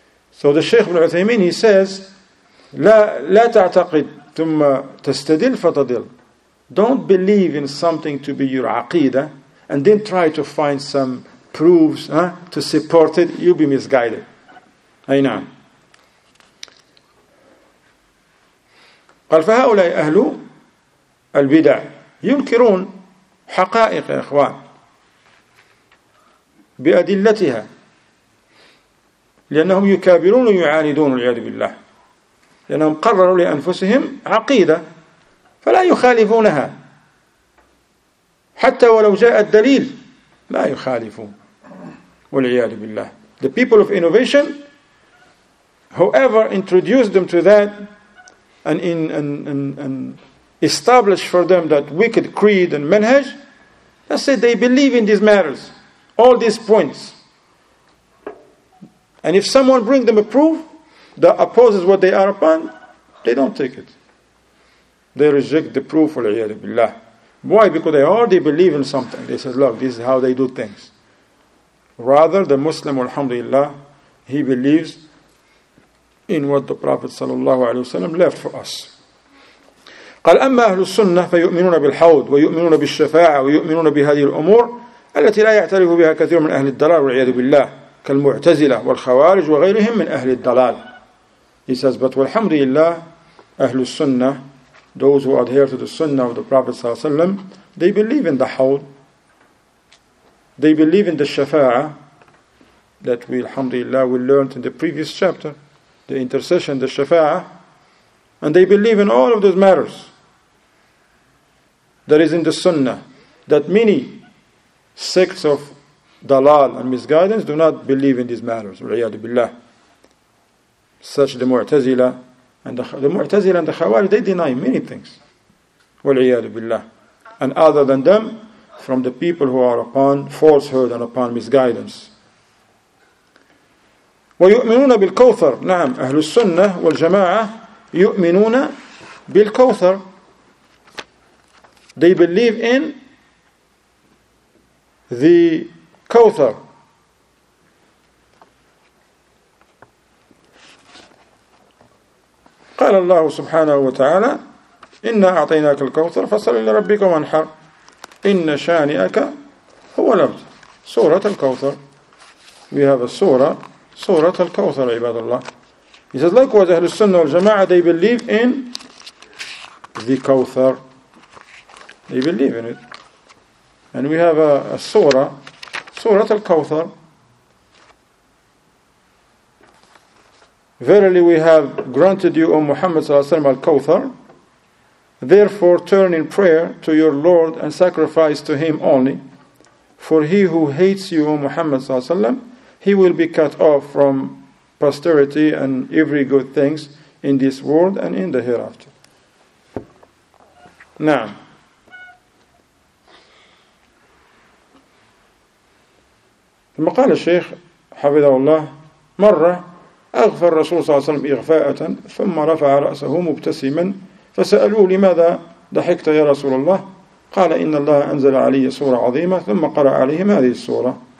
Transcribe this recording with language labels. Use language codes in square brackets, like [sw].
[en] So the Shaykh ibn Uthaymeen, he says, [ar] لَا تَعْتَقِدْ ثُمَّ تَسْتَدِلْ فَتَدِلْ. [en] Don't believe in something to be your aqeedah, and then try to find some proofs to support it, you'll be misguided. Aynan. [ar] قال فهؤلاء أهل البدع ينكرون حقائق يا إخوان بأدلتها لأنهم يكابرون ويعاندون والعياذ بالله لأنهم قرروا لأنفسهم عقيدة فلا يخالفونها حتى ولو جاء الدليل لا يخالفون والعياذ بالله. [en] The people of innovation, whoever introduced them to that and establish for them that wicked creed and manhaj, let's say they believe in these matters, all these points. And if someone brings them a proof that opposes what they are upon, they don't take it. They reject the proof of [ar] al-iyadu billah. [en] Why? Because they already believe in something. They say, look, this is how they do things. Rather, the Muslim, alhamdulillah, he believes in what the Prophet sallallahu alaihi wasallam left for us. [ar] قال أما أهل السنة فيؤمنون بالحوض ويؤمنون بالشفاعة ويؤمنون بهذه الأمور التي لا يعترف بها كثير من أهل الضلال والعياذ بالله كالمعتزلة والخوارج وغيرهم من أهل الضلال. [en] He says, but [ar] والحمد لله أهل السنة, [en] those who adhere to the Sunnah of the Prophet صلى الله عليه وسلم, they believe in the حوض, they believe in the شفاعة that we, [ar] الحمد لله, [en] we learned in the previous chapter, the intercession, the شفاعة, and they believe in all of those matters that is in the Sunnah, that many sects of dalal and misguidance do not believe in these matters, [ar] وَالْعِيَادُ بِاللَّهِ, [en] such the Mu'tazila, and the Mu'tazila and the Khawarij, they deny many things, وَالْعِيَادُ بِاللَّهِ, and other than them, from the people who are upon falsehood and upon misguidance. [ar] وَيُؤْمِنُونَ بِالْكَوْثَرِ. نعم, أهل السنة والجماعة يؤمنون بالكوثر. [en] They believe in the Kawthar. [ar] قال الله سبحانه وتعالى إنا أعطيناك الكوثر فصل لربك وانحر إن شانئك هو الأبتر. سورة الكوثر. [en] We have a surah, سورة الكوثر, [ar] عباد الله. [en] He says, likewise, [ar] أهل السنة والجماعة, [en] they believe in the Kawthar. They believe in it. And we have a surah, سورة الكوثر. Verily we have granted you, O Muhammad [ar] صلى الله عليه وسلم, [en] al-Kawthar. Therefore turn in prayer to your Lord and sacrifice to Him only. For he who hates you, O Muhammad [ar] صلى الله عليه وسلم, [en] he will be cut off from posterity and every good things in this world and in the hereafter. [ar] Now, ثم قال الشيخ حفظه الله مرة أغفى الرسول صلى الله عليه وسلم إغفاءة ثم رفع رأسه مبتسما فسألوه لماذا ضحكت يا رسول الله قال إن الله أنزل علي سورة عظيمة ثم قرأ عليهم هذه السورة